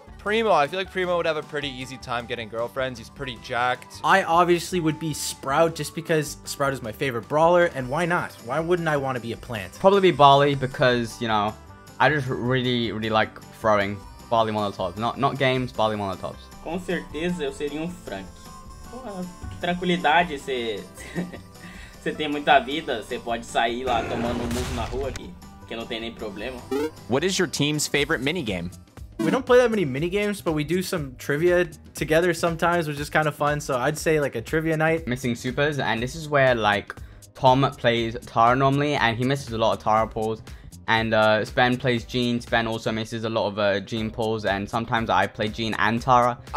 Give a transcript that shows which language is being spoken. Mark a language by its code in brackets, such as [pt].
[en] Primo, I feel like Primo would have a pretty easy time getting girlfriends. He's pretty jacked. I obviously would be Sprout just because Sprout is my favorite brawler, and why not? Why wouldn't I want to be a plant? Probably be Bali because, you know, I just really, really like throwing Bali Molotovs. Not games, Bali Molotovs. [pt] Com certeza eu seria Frank. Pô, que tranquilidade, você tem muita vida, você pode sair lá tomando um burro na rua aqui, que não tem nem problema. [en] What is your team's favorite minigame? We don't play that many minigames, but we do some trivia together sometimes, which is kind of fun, so I'd say like a trivia night. Missing supers, and this is where like Tom plays Tara normally, and he misses a lot of Tara pulls. And Spen plays Jean. Spen also misses a lot of Jean pulls, and sometimes I play Jean and Tara.